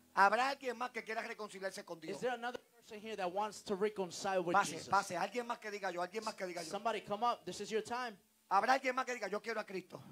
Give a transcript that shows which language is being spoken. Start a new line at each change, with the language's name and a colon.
Spanish: ¿Habrá alguien más que quiera reconciliarse con Dios?
English: Is there another person here that wants to reconcile with
Spanish: pase,
English: Jesus?
Spanish: Pase, alguien más que diga yo, alguien más que diga yo.
English: Somebody come up. This is your time.
Spanish: ¿Habrá alguien más que diga yo quiero a Cristo?